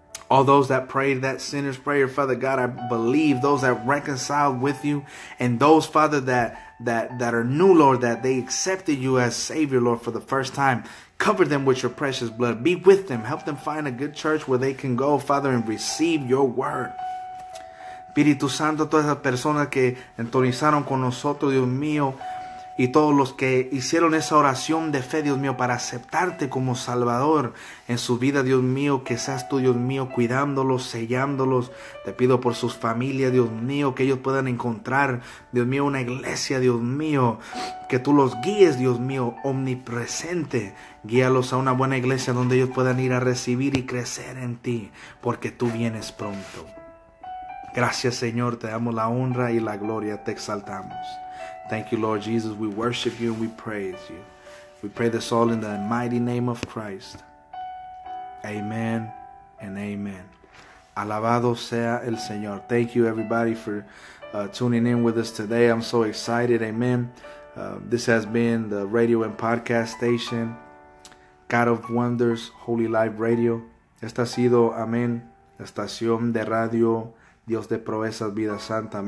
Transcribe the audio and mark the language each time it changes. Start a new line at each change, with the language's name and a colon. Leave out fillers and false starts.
English: All those that prayed that sinner's prayer, Father God, I believe those that reconciled with you and those, Father, that are new, Lord, that they accepted you as Savior, Lord, for the first time. Cover them with your precious blood. Be with them. Help them find a good church where they can go, Father, and receive your word.
Spanish: Espíritu Santo, todas las personas que entonizaron con nosotros, Dios mío, y todos los que hicieron esa oración de fe, Dios mío, para aceptarte como Salvador en su vida, Dios mío, que seas tú, Dios mío, cuidándolos, sellándolos. Te pido por sus familias, Dios mío, que ellos puedan encontrar, Dios mío, una iglesia, Dios mío, que tú los guíes, Dios mío, omnipresente. Guíalos a una buena iglesia donde ellos puedan ir a recibir y crecer en ti, porque tú vienes pronto. Gracias, Señor, te damos la honra y la gloria, te exaltamos.
English: Thank you, Lord Jesus. We worship you and we praise you. We pray this all in the mighty name of Christ. Amen and amen.
Spanish: Alabado sea el Señor.
English: Thank you, everybody, for tuning in with us today. I'm so excited. Amen. This has been the radio and podcast station, God of Wonders, Holy Life Radio.
Spanish: Esta ha sido, amén, estación de radio, Dios de Proezas, Vida Santa.